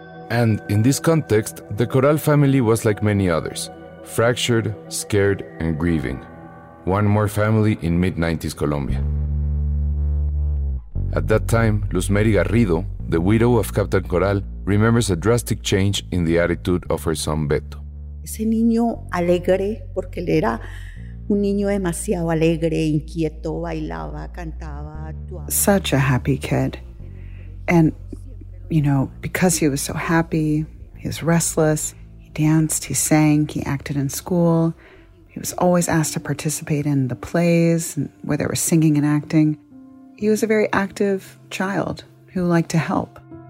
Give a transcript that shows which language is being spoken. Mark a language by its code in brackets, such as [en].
[en] And in this context, the Coral family was like many others, fractured, scared, and grieving. One more family in mid-90s Colombia. At that time, Luz Mary Garrido, the widow of Captain Coral, remembers a drastic change in the attitude of her son Beto. [es] Ese niño alegre, porque él era un niño demasiado alegre, inquieto, bailaba, cantaba. [en] Such a happy kid. And you know, because he was so happy, he was restless, he danced, he sang, he acted in school. He was always asked to participate in the plays, where there was singing and acting. He was a very active child who liked to help.